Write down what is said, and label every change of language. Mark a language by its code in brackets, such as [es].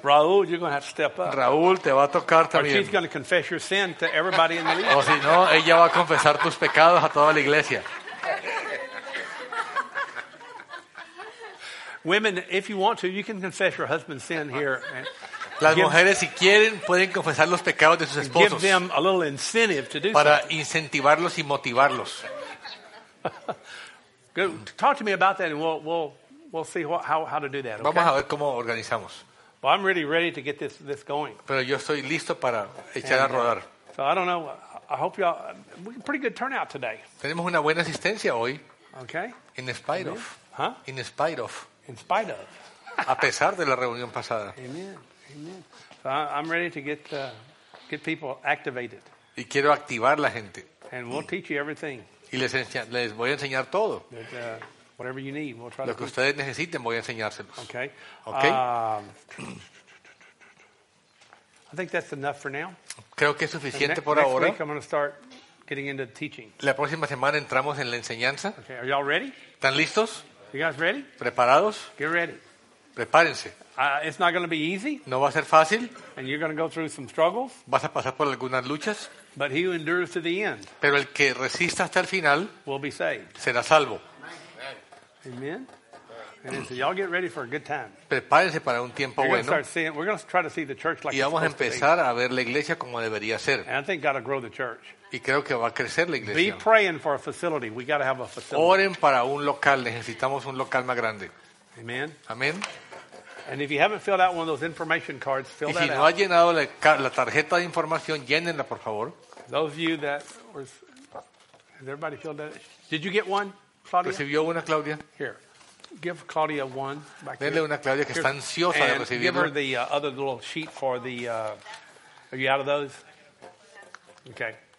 [en] Raúl, you're going to have to step up. [es] Raúl, te va a tocar también. [en] Or she's going to confess your sin to everybody in the [es] church. O si no, ella va a confesar tus pecados a toda la iglesia. [en] Women, if you want to, you can confess your husband's sin here. And [es] las mujeres, si quieren, pueden confesar los pecados de sus esposos. [en] Give them a little incentive to do [es] para [en] something. [es] Incentivarlos y motivarlos. [en] Good. Talk to me about that, and we'll see how to do that. Okay? [es] Vamos a ver cómo organizamos. [en] Well, I'm really ready to get this going. [es] Pero yo estoy listo para echar a rodar. [en] So I don't know. I hope y'all. We're pretty good turnout today. [es] Tenemos una buena asistencia hoy. [en] Okay. In spite of. Huh? In spite of. In spite of. [es] A pesar de la reunión pasada. [en] Amen. Amen. So I'm ready to get people activated. [es] Y quiero activar la gente. [en] And we'll teach you everything. [es] Y les voy a enseñar todo. [en] That, whatever you need, we'll try [es] lo [en] to [es] lo que teach. Ustedes necesiten, voy a enseñárselos. [en] Okay. Okay. I think that's enough for now. [es] Creo que es suficiente por ahora. [en] Next week I'm going to start getting into teaching. [es] La próxima semana entramos en la enseñanza. [en] Okay. Are y'all ready? [es] ¿Están listos? [en] You guys ready? [es] ¿Preparados? [en] Get ready. [es] Prepárense. [en] It's not going to be easy. [es] No va a ser fácil. [en] And you're going to go through some struggles. [es] Vas a pasar por algunas luchas. [en] But he who endures to the end. [es] Pero el que resista hasta el final. [en] Will be saved. [es] Será salvo. Amen. [en] And so y'all get ready for a good time. [es] Prepárense para un tiempo [en] you're [es] bueno. [en] Going to start seeing, we're going to try to see the church like [es] y vamos a empezar a ver la iglesia como debería ser. [en] And I think God will grow the church. [es] Y creo que va a crecer la iglesia. [en] Be praying for a facility. We got to have a facility. [es] Oren para un local. Necesitamos un local más grande. Amen. Amen. [en] And if you haven't filled out one of those information cards, fill that out. [es] Y si no ha llenado la tarjeta de información, llénenla, por favor. [en] Those of you that were, has everybody filled that? Did you get one, Claudia? [es] ¿Recibió una, Claudia? [en] Here. Give Claudia one back [es] denle [en] here. [es] Una, Claudia, que está ansiosa [en] and [es] de recibirlo. [en] Give her the other little sheet for the, are you out of those? Okay.